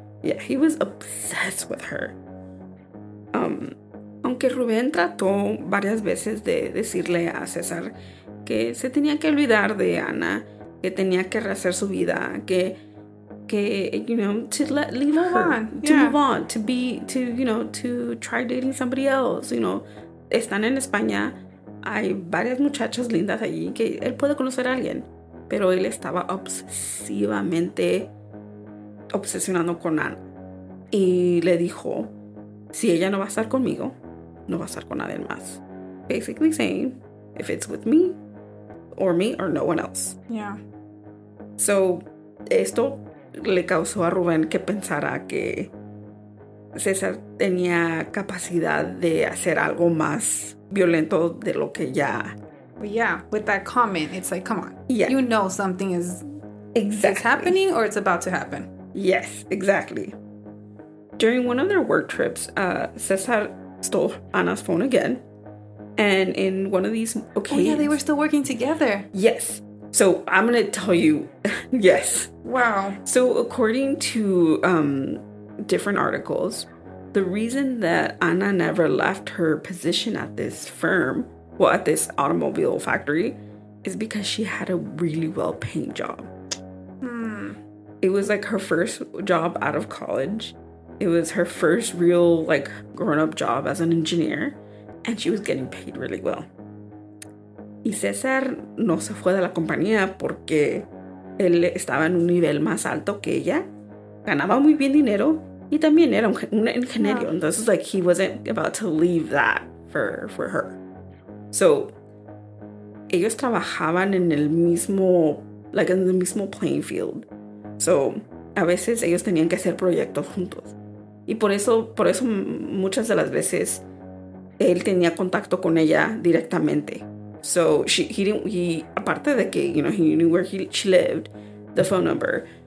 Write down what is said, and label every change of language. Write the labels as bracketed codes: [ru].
[en] Yeah, he was obsessed with her. [es] Aunque Rubén trató varias veces de decirle a César que se tenía que olvidar de Ana, que tenía que rehacer su vida, que you know, [en] to let leave move her, on. To yeah. move on, to be, to, you know, to try dating somebody else, you know. [es] Están en España, hay varias muchachas lindas allí que él puede conocer a alguien, pero él estaba obsesivamente obsesionando con Ana. Y le dijo, si ella no va a estar conmigo, no va a estar con nadie más. [en] Basically saying, if it's with me, or me, or no one else. Yeah. [es] So, esto le causó a Rubén que pensara que César tenía capacidad de hacer algo más violento de lo que ya. [en] But yeah, with that comment, it's like, come on. Yeah. You know something is exactly happening or it's about to happen. Yes, exactly. During one of their work trips, Cesar stole Ana's phone again. And in one of these occasions... Oh, yeah, they were still working together. Yes. So I'm going to tell you, yes. Wow. So according to different articles, the reason that Ana never left her position at this firm, well, at this automobile factory, is because she had a really well-paying job. Hmm. It was like her first job out of college. It was her first real, like, grown-up job as an engineer. And she was getting paid really well. [es] Y César no se fue de la compañía porque él estaba en un nivel más alto que ella. Ganaba muy bien dinero. Y también era un ingeniero. No. [en] This is like he wasn't about to leave that for her. [es] So, ellos trabajaban en el mismo, like, in the mismo playing field. So, a veces ellos tenían que hacer proyectos juntos. Y por eso muchas de las veces él tenía contacto con ella directamente. [en] So [es] aparte de que, [en] you know, he knew where she lived, the phone number,